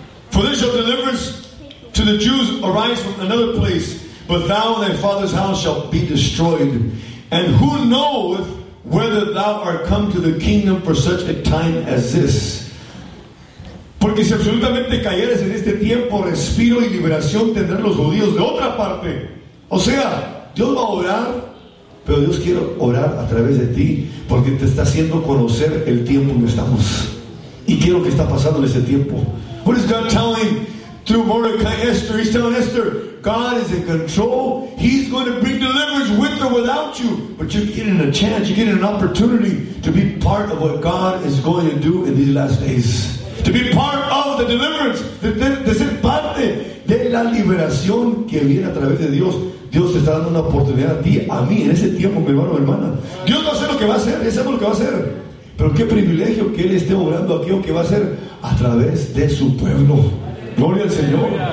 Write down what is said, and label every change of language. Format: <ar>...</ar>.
<en>For this shall deliverance to the Jews arise from another place, but thou and thy father's house shall be destroyed. And who knoweth whether thou art come to the kingdom for such a time as this?</en> <es>Porque si absolutamente cayeres en este tiempo, respiro y liberación tendrán los judíos de otra parte. O sea, Dios va a orar, pero Dios quiere orar a través de ti, porque te está haciendo conocer el tiempo en que estamos. Y quiero que está pasando en ese tiempo.</es> <en>What is God telling through Mordecai Esther? He's telling Esther, God is in control. He's going to bring deliverance with or without you. But you're getting a chance. You're getting an opportunity to be part of what God is going to do in these last days. To be part of the deliverance.</en> <es>De ser parte de la liberación que viene a través de Dios. Dios te está dando una oportunidad a ti, a mí, en ese tiempo, mi hermano, hermana. Dios no sabe lo que va a hacer, ya sabemos lo que va a hacer. Pero qué privilegio que Él esté obrando aquí o que va a hacer a través de su pueblo. Gloria al Señor.</es>